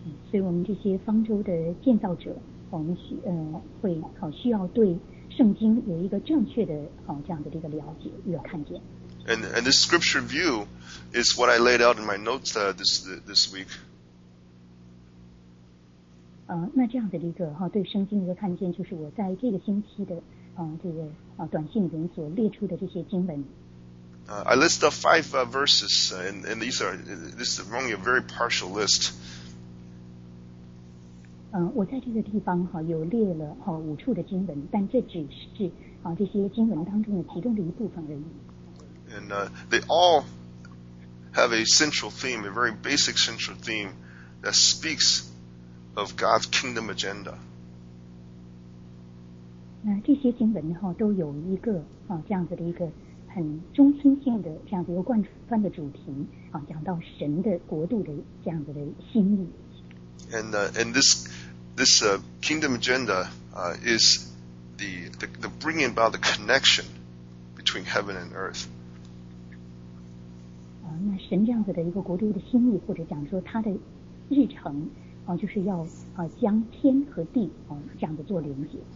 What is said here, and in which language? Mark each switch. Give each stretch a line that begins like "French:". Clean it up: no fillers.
Chinese: 所以我们这些方舟的建造者，我们会需要对圣经有一个正确的这样的一个了解，一个看见。
English: And this scripture view is what I laid out in my notes this week.
Chinese: 那这样的一个对圣经的一个看见，就是我在这个星期的短信里面所列出的这些经文。
English: I list up five verses, and these are this is only a very partial list.
Chinese: 我在这个地方有列了五处的经文，但这只是这些经文当中的其中的一部分而已。
English: And they all have a central theme, a very basic central theme that speaks. Of God's kingdom agenda.
Chinese: 那这些经文都有一个这样子的一个很中心性的这样子一个贯穿的主题讲到神的国度的这样子的心意。
English: And this kingdom agenda is the bringing about the connection between heaven and earth.
Chinese: 那神这样子的一个国度的心意，或者讲说他的日程。就是要将天和地这样的做连接。